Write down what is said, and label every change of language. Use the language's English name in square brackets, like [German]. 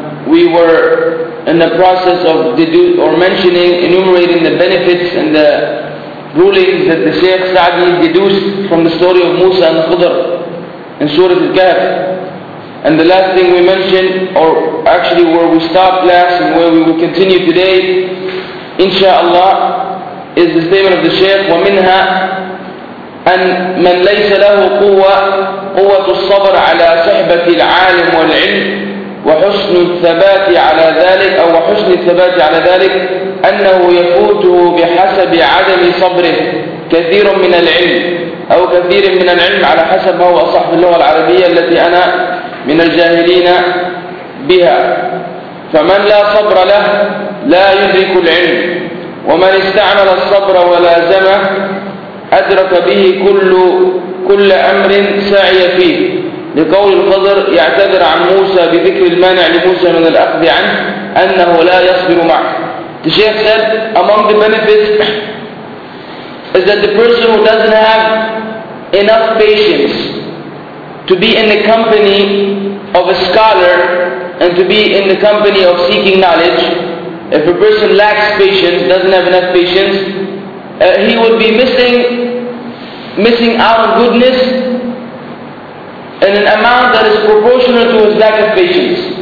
[English] We were in the process of enumerating the benefits and the rulings that the Shaykh Sa'di deduced from the story of Musa and Khidr in Surah Al-Kahf. And the last thing we mentioned, or actually where we stopped last and where we will continue today, inshaAllah, is the statement of the Shaykh, وَمِنْهَا [Arabic] أَنْ مَنْ لَيْسَ لَهُ قُوَّةُ الصَّبْرِ عَلَى سَحْبَةِ الْعَالِمِ وَالْعِلْمِ وحسن الثبات على ذلك أو حسن الثبات على ذلك أنه يفوته بحسب عدم صبره كثير من العلم أو كثير من العلم على حسب ما هو أصح في اللغة العربية التي أنا من الجاهلين بها. فمن لا صبر له لا يدرك العلم، ومن استعمل الصبر ولازمه أدرك به كل أمر سعي فيه، لقول الخضر يعتذر عن موسى بذكر المانع لموسى من الأخذ عنه أنه لا يصبر معه. [English] The Shaykh said, among the benefits is that the person who doesn't have enough patience to be in the company of a scholar and to be in the company of seeking knowledge, if a person lacks patience, doesn't have enough patience, he would be missing out on goodness in an amount that is proportional to his lack of patience.